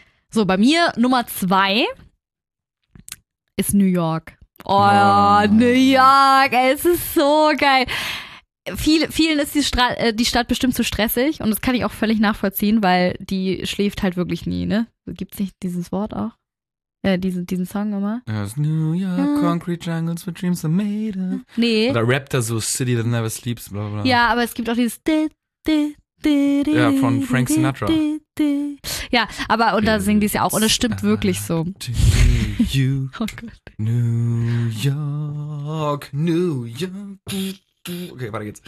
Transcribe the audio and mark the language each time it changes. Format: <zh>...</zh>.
<de>So, bei mir Nummer 2 ist New York. Oh, ja. New York, es ist so geil. Vielen ist die Stadt bestimmt zu stressig und das kann ich auch völlig nachvollziehen, weil die schläft halt wirklich nie, ne? Gibt's nicht dieses Wort auch? Diesen Song immer?</de> <en>There's New York, concrete jungles where dreams are made of.</en> <de>Nee. Oder rappt er so,</de> <en>City that never sleeps,</en> <de>bla bla. Ja, aber es gibt auch dieses... Ja, von Frank Sinatra. Ja, aber und da singen die es ja auch und es stimmt wirklich so. You. Oh Gott. New York. Okay, weiter geht's.</de>